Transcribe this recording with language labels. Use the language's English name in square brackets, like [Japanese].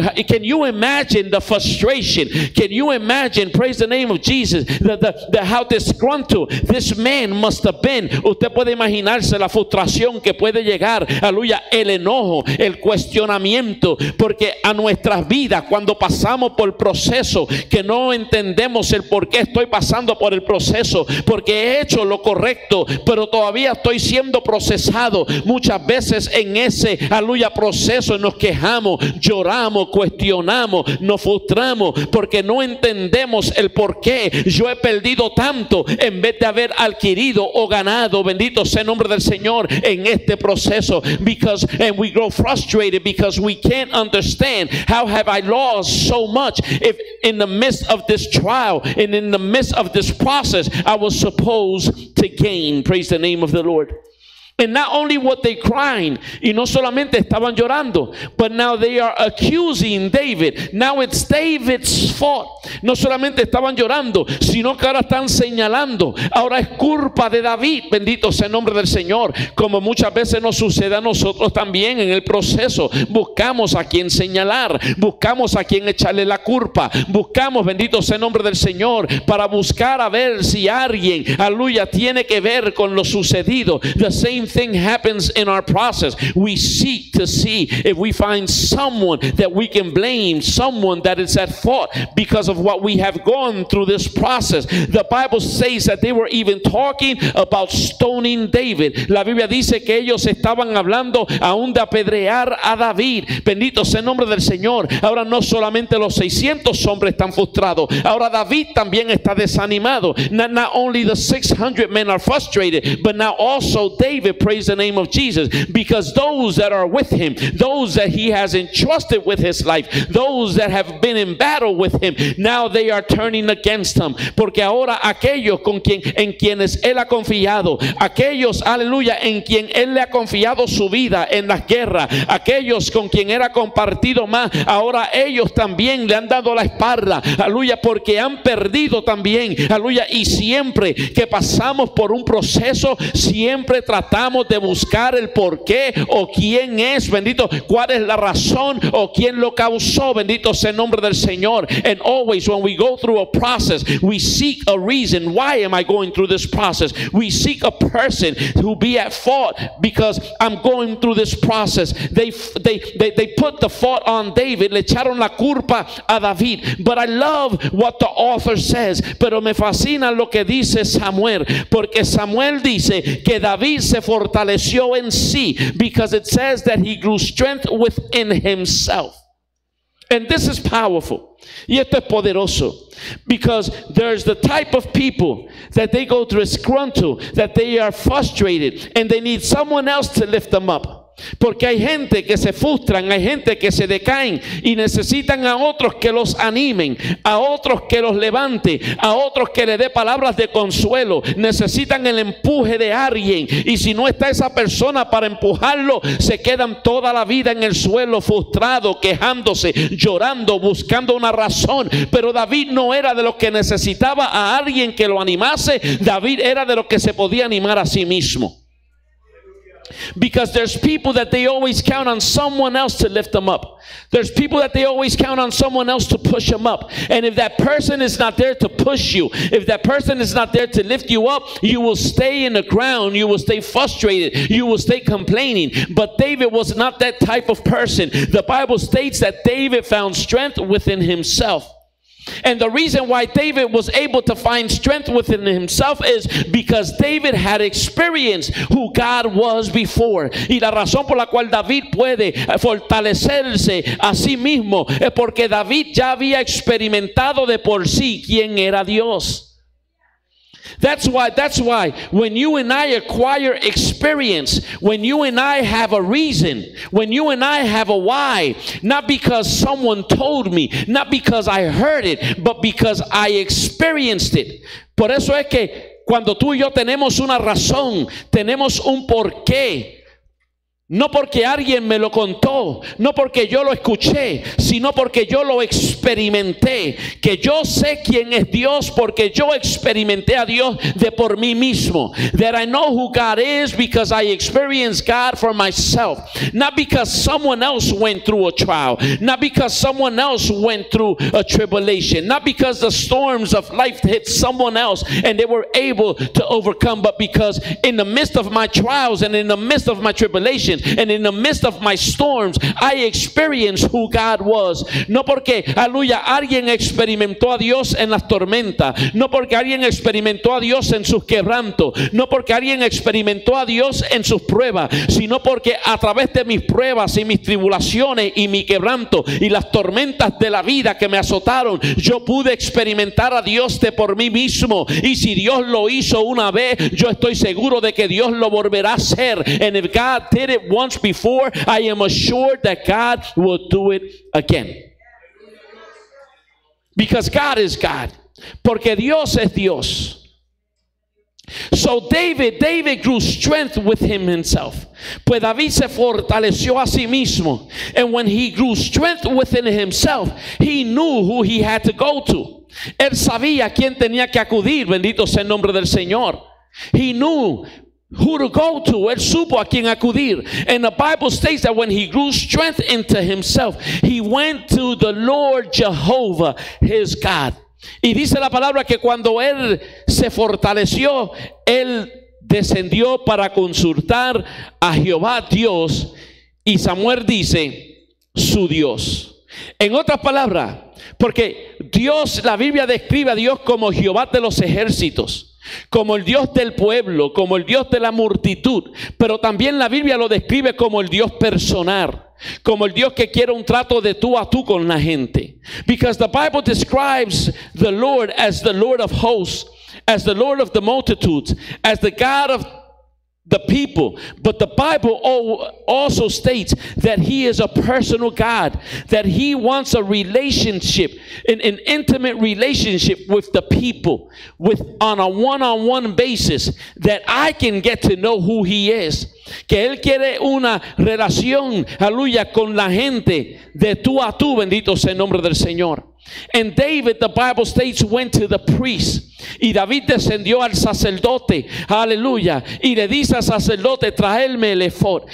[English] Can you imagine the frustration? Can you imagine, praise the name of Jesus, the how disgruntled this man must have been? [Spanish] Usted puede imaginarse la frustración que puede llegar, aleluya, el enojo, el cuestionamiento, porque a nuestras vidas, cuando pasamos por proceso, que no entendemos el por qué estoy pasando por el proceso, porque he hecho lo correcto, pero todavía estoy siendo procesado. Muchas veces en ese, aleluya, proceso nos quejamos, lloramos, cuestionamos, nos frustramos, porque no entendemos el ¿por qué yo he perdido tanto en vez de haber adquirido o ganado? Bendito sea el nombre del Señor en este proceso. [English] Because and we grow frustrated because we can't understand how have I lost so much if in the midst of this trial and in the midst of this process I was supposed to gain. Praise the name of the Lord. And not only were they crying, [Spanish] y no solamente estaban llorando, [English] but now they are accusing David. Now it's David's fault. [Spanish] No solamente estaban llorando, sino que ahora están señalando. Ahora es culpa de David. Bendito sea el nombre del Señor. Como muchas veces nos sucede a nosotros también en el proceso. Buscamos a quien señalar. Buscamos a quien echarle la culpa. Buscamos, bendito sea el nombre del Señor, para buscar a ver si alguien, aleluya, tiene que ver con lo sucedido. [English] The same thing happens in our process. We seek to see if we find someone that we can blame, someone that is at fault because of what we have gone through this process. The Bible says that they were even talking about stoning David. [Spanish] La Biblia dice que ellos estaban hablando aún de apedrear a David. Bendito sea el nombre del Señor. Ahora no solamente los 600 hombres están frustrados, ahora David también está desanimado. [English] Not only the 600 men are frustrated, but now also David. Praise the name of Jesus, because those that are with him, those that he has entrusted with his life, those that have been in battle with him, now they are turning against him. [Spanish] Porque ahora aquellos con quien, en quienes él ha confiado, aquellos, aleluya, en quien él le ha confiado su vida en la guerra, aquellos con quien era compartido más, ahora ellos también le han dado la espalda, aleluya, porque han perdido también, aleluya. Y siempre que pasamos por un proceso, siempre tratamos de buscar el por qué o quién es, bendito, cuál es la razón o quién lo causó, bendito sea el nombre del Señor. [English] And always when we go through a process, we seek a reason. Why am I going through this process? We seek a person who be at fault because I'm going through this process. They put the fault on David, [Spanish] le echaron la culpa a David. [English] But I love what the author says, [Spanish] pero me fascina lo que dice Samuel, porque Samuel dice que David se fortaleció en sí, [English] because it says that he grew strength within himself. And this is powerful. [Spanish] Y esto es poderoso. [English] Because there's the type of people that they go through a scruntle, that they are frustrated, and they need someone else to lift them up. [Spanish] Porque hay gente que se frustran, hay gente que se decaen y necesitan a otros que los animen, a otros que los levante, a otros que le dé palabras de consuelo. Necesitan el empuje de alguien, y si no está esa persona para empujarlo, se quedan toda la vida en el suelo frustrado, quejándose, llorando, buscando una razón. Pero David no era de los que necesitaba a alguien que lo animase. David era de los que se podía animar a sí mismo. [English] Because there's people that they always count on someone else to lift them up. There's people that they always count on someone else to push them up. And if that person is not there to push you, if that person is not there to lift you up, you will stay in the ground, you will stay frustrated, you will stay complaining. But David was not that type of person. The Bible states that David found strength within himself. And the reason why David was able to find strength within himself is because David had experienced who God was before. [Spanish] Y la razón por la cual David puede fortalecerse a sí mismo es porque David ya había experimentado de por sí quién era Dios. [English] That's why when you and I acquire experience, when you and I have a reason, when you and I have a why, not because someone told me, not because I heard it, but because I experienced it. [Spanish] Por eso es que cuando tú y yo tenemos una razón, tenemos un porqué. No porque alguien me lo contó, no porque yo lo escuché, sino porque yo lo experimenté. Que yo sé quién es Dios porque yo experimenté a Dios de por mí mismo. [English] That I know who God is because I experienced God for myself. Not because someone else went through a trial. Not because someone else went through a tribulation. Not because the storms of life hit someone else and they were able to overcome. But because in the midst of my trials and in the midst of my tribulations, wind and in the midst of my storms, I experienced who God was. [Spanish] No porque, aleluya, alguien experimentó a Dios en las tormentas. No porque alguien experimentó a Dios en sus quebrantos. No porque alguien experimentó a Dios en sus pruebas. Sino porque a través de mis pruebas y mis tribulaciones y mi quebranto y las tormentas de la vida que me azotaron, yo pude experimentar a Dios de por mí mismo. Y si Dios lo hizo una vez, yo estoy seguro de que Dios lo volverá a hacer. [English] And if God did it once before, I am assured that God will do it again. Because God is God. [Spanish] Porque Dios es Dios. [English] So David grew strength with him himself. [Spanish] Pues David se fortaleció a sí mismo. [English] And when he grew strength within himself, he knew who he had to go to. [Spanish] Él sabía quién tenía que acudir. Bendito sea el nombre del Señor. [English] He knew who to go to. [Spanish] Él supo a quién acudir. [English] And the Bible states that when he grew strength into himself, he went to the Lord Jehovah, his God. [Spanish] Y dice la palabra que cuando él se fortaleció, él descendió para consultar a Jehová Dios, y Samuel dice, su Dios. En otras palabras, porque Dios, la Biblia describe a Dios como Jehová de los ejércitos, como el Dios del pueblo, como el Dios de la multitud, pero también la Biblia lo describe como el Dios personal, como el Dios que quiere un trato de tú a tú con la gente. [English] Because the Bible describes the Lord as the Lord of hosts, as the Lord of the multitudes, as the God of the people. But the Bible also states that he is a personal God, that he wants a relationship, an intimate relationship with the people, with on a one-on-one basis, that I can get to know who he is. [Spanish] Que él quiere una relación, aleluya, con la gente de tú a tú, bendito sea el nombre del Señor. [English] And David, the Bible states, went to the priest. [Spanish] Y David descendió al sacerdote, aleluya, y le dice al sacerdote, traerme el ephod.